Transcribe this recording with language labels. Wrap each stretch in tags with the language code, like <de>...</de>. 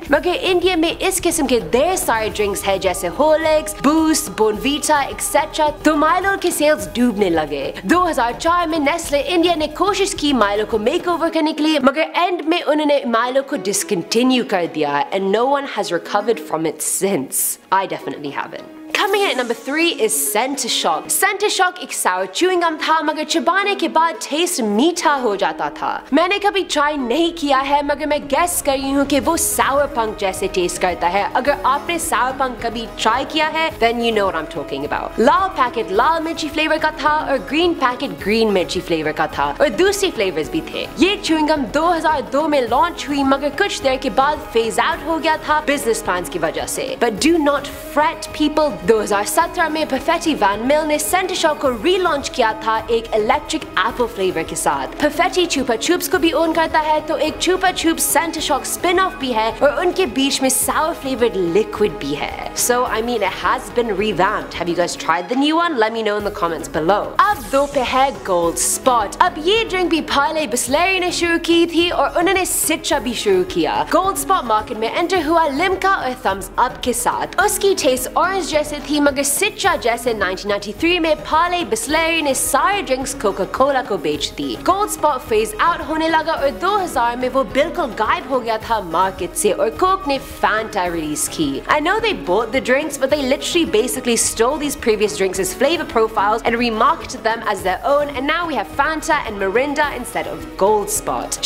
<hi>मगर इंडिया में इस किस्म के ढेर सारे ड्रिंक्स है जैसे होलिक्स, बूस्ट, बोनवीटा एक्सेट्रा, तो माइलो के सेल्स डूबने लगे। 2004 में नेस्ले इंडिया ने कोशिश की माइलो को मेकओवर करने के लिए मगर एंड में उन्होंने माइलो को डिसकंटिन्यू कर दिया</hi> <en>And no one has recovered from it since. I definitely haven't. Coming in at number 3 is Center Shock.</en> <hi>Center Shock एक sour chewing gum था मगर चबाने के बाद taste मीठा हो जाता था। मैंने कभी try नहीं किया है मगर मैं guess कर रही हूँ कि वो sour punk जैसे taste करता है। अगर आपने sour punk कभी try किया है</hi> <en>then you know what I'm talking about.</en> <hi>Lal packet लाल मिर्ची flavor का था और green packet green मिर्ची flavor का था और दूसरी flavors भी थे। ये chewing gum 2002 में launch हुई मगर कुछ देर के बाद phase out हो गया था business plans की वजह से।</hi> <en>But do not fret people,</en> <hi>2017 में Perfetti Van Mill ने Center Shock को relaunch किया था एक electric apple flavor के साथ। Perfetti Chupa Chups को भी own करता है तो एक Chupa Chups Center Shock spin-off भी है और उनके बीच में sour flavored liquid भी है।</hi> <en>So I mean it has been revamped. Have you guys tried the new one? Let me know in the comments below.</en> <hi>अब दो पे है Gold Spot। अब ये drink भी पहले Bisleri ने शुरू की थी और उन्होंने Citra भी शुरू किया। Gold Spot market में enter हुआ Limca और Thumbs Up के साथ। उसकी taste orange जैसे थी मगर सिट्रा जैसे 1993 में पाले बिस्लेरी ने सारे ड्रिंक्स कोका कोला को बेच दी। गोल्ड स्पॉट फेज आउट होने लगा और 2000 में वो बिल्कुल गायब हो गया था मार्केट से और कोक ने फैंटा रिलीज की।</hi> <en>I know they bought the drinks but they literally basically stole these previous drinks as flavour profiles and remarketed them as their own and now we have Fanta and Mirinda instead of Gold Spot.</en>